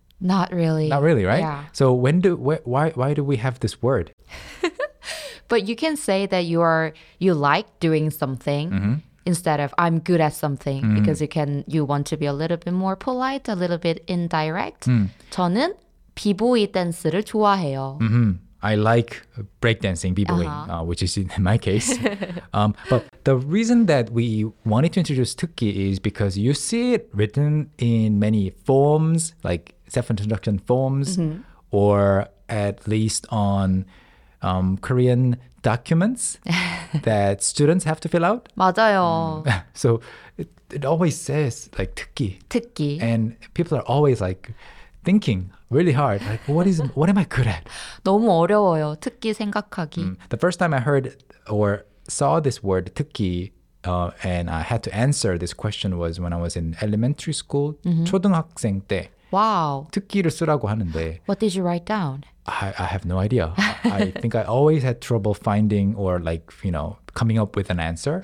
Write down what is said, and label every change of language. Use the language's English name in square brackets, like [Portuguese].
[English] Not really. Not really, right? Yeah. So why do we have this word? But you can say that you like doing something mm-hmm. instead of I'm good at something mm-hmm. because you want to be a little bit more polite, a little bit indirect. Mm. [Korean] 저는 비보이 댄스를 좋아해요. [English] Mm-hmm. I like breakdancing, b-boying, uh-huh. Which is in my case. But the reason that we wanted to introduce 특기 is because you see it written in many forms, like self-introduction forms, mm-hmm. or at least on Korean documents that students have to fill out. [Korean] 맞아요. [English] So it always says like 특기. [Korean] 특기. [English] And people are always like thinking really hard, like what am I good at? [Korean] 너무 어려워요, 특기 생각하기. [English] The first time I heard or saw this word 특기, and I had to answer this question was when I was in elementary school, mm-hmm. [Korean] 초등학생 때. [English] Wow. [Korean] 특기를 쓰라고 하는데. [English] What did you write down? I have no idea. I think I always had trouble finding or like, you know, coming up with an answer.